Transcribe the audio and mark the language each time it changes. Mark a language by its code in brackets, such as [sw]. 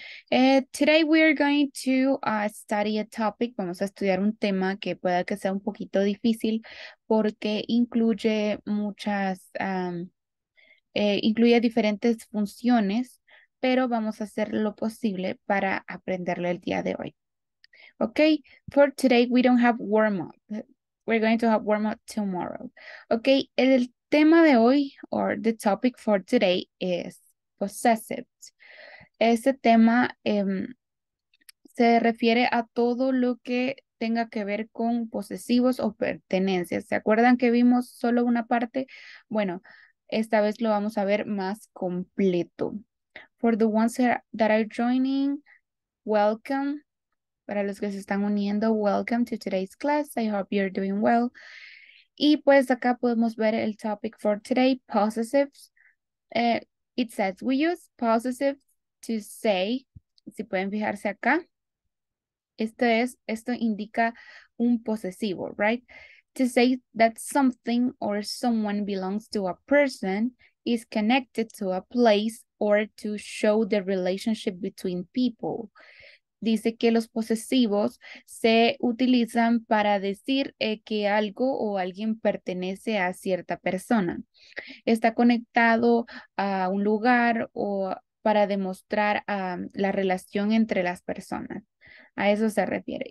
[en] Today we are going to study a topic. [es] Vamos a estudiar un tema que pueda que sea un poquito difícil porque incluye muchas. Incluye diferentes funciones, pero vamos a hacer lo posible para aprenderlo el día de hoy. [en] Okay, for today we don't have warm up. We're going to have warm up tomorrow. Okay, [es] el tema de hoy, [en] or the topic for today, is possessive. [es] Ese tema se refiere a todo lo que tenga que ver con posesivos o pertenencias. ¿Se acuerdan que vimos solo una parte? Bueno, esta vez lo vamos a ver más completo. [en] For the ones that are joining, welcome. [es] Para los que se están uniendo, [en] welcome to today's class. I hope you're doing well. [es] Y pues acá podemos ver el [en] topic for today, possessives. It says we use possessives to say, [es] si pueden fijarse acá, esto indica un posesivo, [en] right? To say that something or someone belongs to a person, is connected to a place, or to show the relationship between people. [es] Dice que los posesivos se utilizan para decir que algo o alguien pertenece a cierta persona. Está conectado a un lugar o para demostrar la relación entre las personas. A eso se refiere.